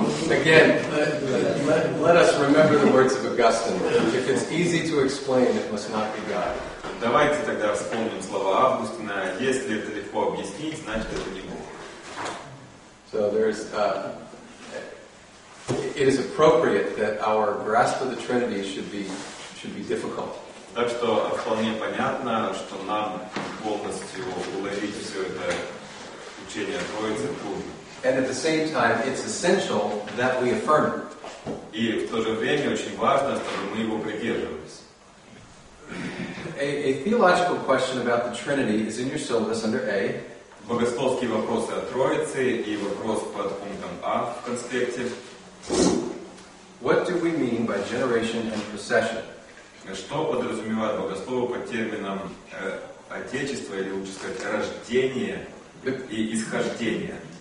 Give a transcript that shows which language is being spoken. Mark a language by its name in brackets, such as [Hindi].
[English] Again, let us remember the words of Augustine. If it's easy to explain, it must not be God. [Russian] Давайте тогда вспомним слова Августина. Если это легко объяснить, значит это не Бог. [English] So there is. It is appropriate that our grasp of the Trinity should be difficult. [Russian] Так что вполне понятно, что нам полностью уловить все это учение Троицы трудно. [English] And at the same time, it's essential that we affirm it. [Russian] И в то же время очень важно, чтобы мы его придерживались. [English] A theological question about the Trinity is in your syllabus under A. [Russian] Богословские вопросы о Троице и вопрос под пунктом А в конспекте. [English] What do we mean by generation and procession? [Russian] Что подразумевает богослово под термином отечество, или лучше сказать рождение и исхождение?